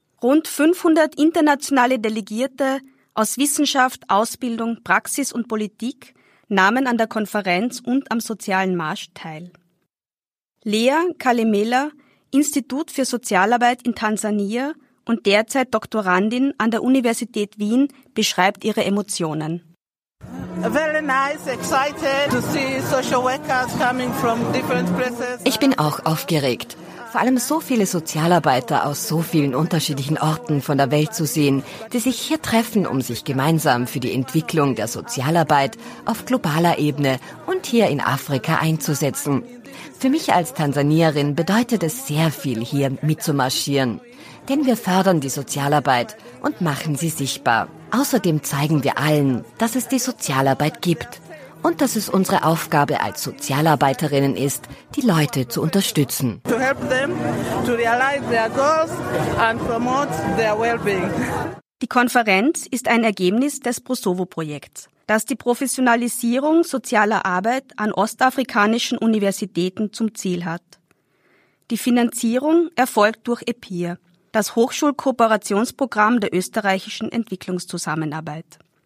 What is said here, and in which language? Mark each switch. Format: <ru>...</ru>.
<de>Rund 500 internationale Delegierte aus Wissenschaft, Ausbildung, Praxis und Politik nahmen an der Konferenz und am sozialen Marsch teil. Lea Kalemela, Institut für Sozialarbeit in Tansania und derzeit Doktorandin an der Universität Wien, beschreibt ihre Emotionen.</de> <en>Very nice, excited to see social workers coming from different places.</en> <de>Ich bin auch aufgeregt, vor allem so viele Sozialarbeiter aus so vielen unterschiedlichen Orten von der Welt zu sehen, die sich hier treffen, um sich gemeinsam für die Entwicklung der Sozialarbeit auf globaler Ebene und hier in Afrika einzusetzen. Für mich als Tansanierin bedeutet es sehr viel, hier mitzumarschieren. Denn wir fördern die Sozialarbeit und machen sie sichtbar. Außerdem zeigen wir allen, dass es die Sozialarbeit gibt und dass es unsere Aufgabe als Sozialarbeiterinnen ist, die Leute zu unterstützen.</de> <en>To help them to realize their goals and promote their well-being.</en> <de>Die Konferenz ist ein Ergebnis des Prosovo-Projekts, das die Professionalisierung sozialer Arbeit an ostafrikanischen Universitäten zum Ziel hat. Die Finanzierung erfolgt durch EPIR, das Hochschulkooperationsprogramm der österreichischen Entwicklungszusammenarbeit.</de>